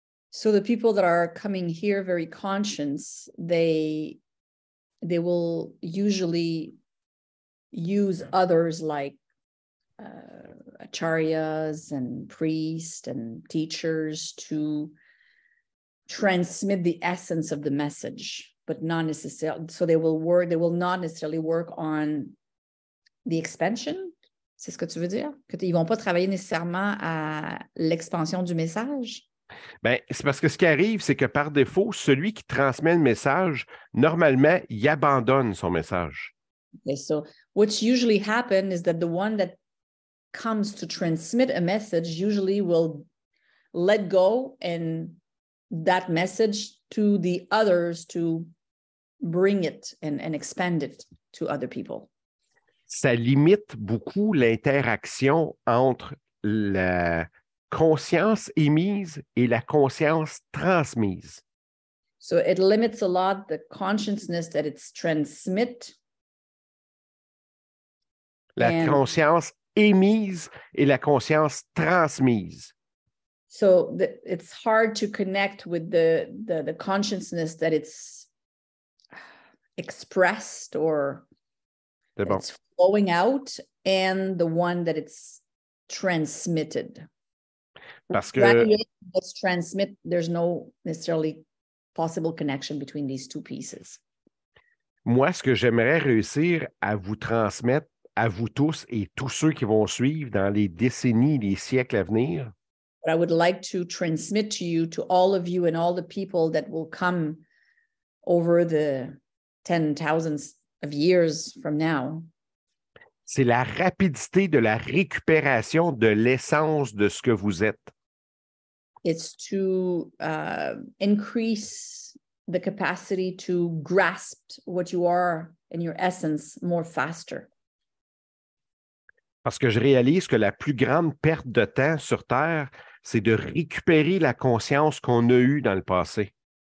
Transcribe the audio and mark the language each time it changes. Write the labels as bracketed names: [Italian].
[English] So the people that are coming here very conscious, they will usually use others like acharyas and priests and teachers to transmit the essence of the message, but not necessarily. So they will not necessarily work on the expansion. [French] C'est ce que tu veux dire? Que ils vont pas travailler nécessairement à l'expansion du message? Ben, c'est parce que ce qui arrive, c'est que par défaut, celui qui transmet le message, normalement, il abandonne son message. [English] Okay, so what's usually happened is that the one that comes to transmit a message usually will let go and that message to the others to bring it and expand it to other people. [French] Ça limite beaucoup l'interaction entre la conscience émise et la conscience transmise. [English] So it limits a lot the consciousness that it's transmit. [French] La conscience émise et la conscience transmise. [English] So it's hard to connect with the consciousness that it's expressed or [French] c'est bon. [English] It's flowing out and the one that it's transmitted. [French] Parce que [English] it's transmit, there's no necessarily possible connection between these two pieces. [French] Moi, ce que j'aimerais réussir à vous transmettre à vous tous et tous ceux qui vont suivre dans les décennies, les siècles à venir. [English] What I would like to transmit to you, to all of you and all the people that will come over the 10,000 of years from now. [French] C'est la rapidité de la récupération de l'essence de ce que vous êtes. [English] It's to increase the capacity to grasp what you are and your essence more faster. [French] Parce que je réalise que la plus grande perte de temps sur Terre, c'est de récupérer la conscience qu'on a eue dans le passé.